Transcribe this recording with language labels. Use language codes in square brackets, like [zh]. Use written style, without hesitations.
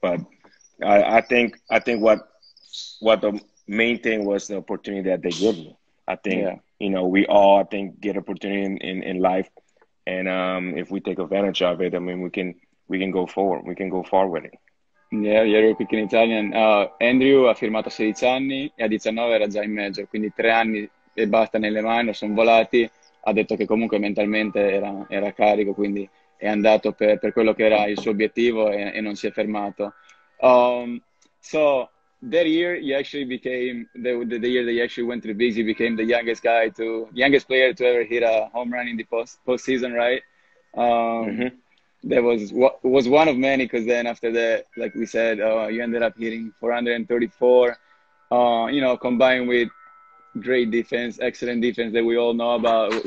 [en] But I think what the main thing was the opportunity that they gave me. I think you know, we all, I think, get opportunity in life, and if we take advantage of it, I mean, we can go far with it. [it] Yeah, ero piccolo in Italia. Andrew ha firmato a 16 anni e a 19 era già in major, quindi 3 anni e basta nelle minor, sono volati. Ha detto che comunque mentalmente era carico, quindi è andato per quello che era il suo obiettivo e non si è fermato. [en] So that year you actually became the year that you actually went to the bigs, you became the youngest player to ever hit a home run in the postseason, right? That was one of many, because then after that, like we said, you ended up hitting 434, you know, combined with great defense, excellent defense that we all know about.